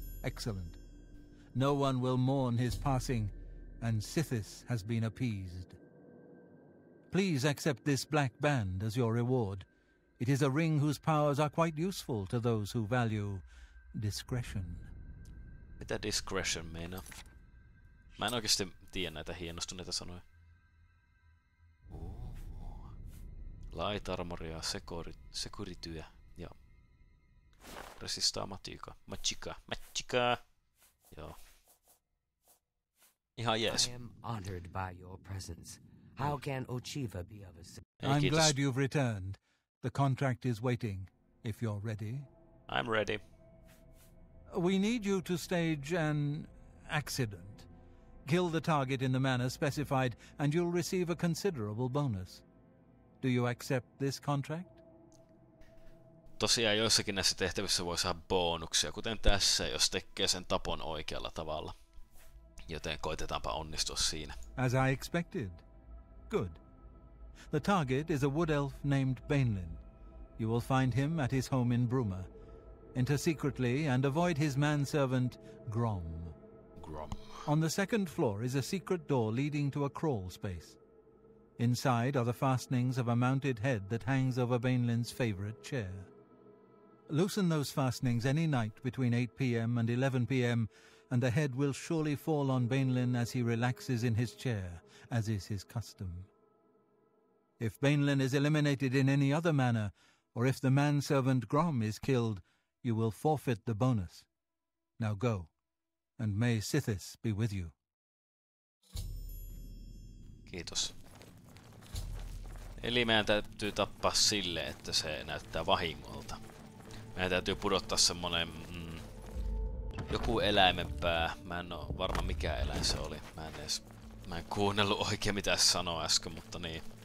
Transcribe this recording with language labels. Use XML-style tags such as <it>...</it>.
<en>Excellent. No one will mourn his passing, and Sithis has been appeased. Please accept this black band as your reward. It is a ring whose powers are quite useful to those who value discretion.</en> <fi>Mitä discretion meinaa? Mä en oikeesti tiedä näitä hienostuneita sanoja. Light armoria, sekurityö ja resistaa matika. Matchika. Joo. Ihan jees.</fi> <en>I am honored by your presence. How can Ochiva be of assistance? I'm glad you've returned. The contract is waiting, if you're ready. I'm ready. We need you to stage an accident. Kill the target in the manner specified, and you'll receive a considerable bonus. Do you accept this contract?</en> <fi>Tosiaan joissakin näissä tehtävissä voi saada bonuksia, kuten tässä, jos tekee sen tapon oikealla tavalla. Joten koitetaanpa onnistua siinä.</fi> <en>As I expected. Good. The target is a wood elf named Bainlin. You will find him at his home in Bruma. Enter secretly and avoid his manservant, Grom. Grom. On the second floor is a secret door leading to a crawl space. Inside are the fastenings of a mounted head that hangs over Bainlin's favorite chair. Loosen those fastenings any night between 8 p.m. and 11 p.m., and the head will surely fall on Bainlin as he relaxes in his chair, as is his custom. If Bainlin is eliminated in any other manner, or if the manservant Grom is killed, you will forfeit the bonus. Now go, and may Sithis be with you.</en> <fi>Kiitos. Eli meidän täytyy tappaa sille, että se näyttää vahingolta. Meidän täytyy pudottaa semmonen joku eläimen pää. Mä en oo varma mikä eläin se oli. Mä en kuunnellut oikein mitä se sanoi äsken, mutta niin.</fi>